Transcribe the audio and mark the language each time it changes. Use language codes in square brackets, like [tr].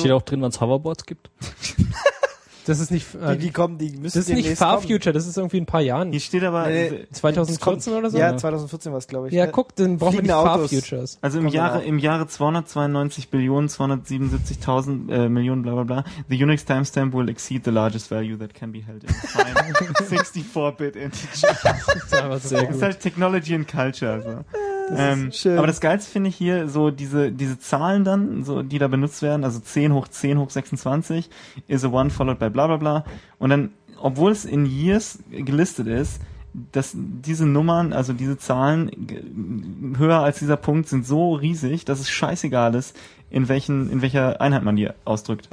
[de] Steht auch drin, wann es Hoverboards gibt. Das ist nicht. Die kommen, die müssen. Das ist nicht Far Future, das ist irgendwie ein paar Jahren. Hier steht aber. 2014 oder so? Ja, 2014 war es, glaube ich. Ja, guck, dann brauchen wir nicht Far Futures. Also im Jahre 292 Billionen, 277.000 Millionen, bla bla bla. [en] The Unix timestamp will exceed the largest value that can be held in time. 64-Bit integer. [de] Das ist halt Technology and Culture, also. Das ist schön. Aber das Geilste finde ich hier, so diese Zahlen dann, so, die da benutzt werden, also 10 hoch 10 hoch 26 [en] is a 1 followed by bla bla [de] bla. Und dann, obwohl es in Years gelistet ist, dass diese Nummern, also diese Zahlen höher als dieser Punkt sind so riesig, dass es scheißegal ist, in welcher Einheit man die ausdrückt.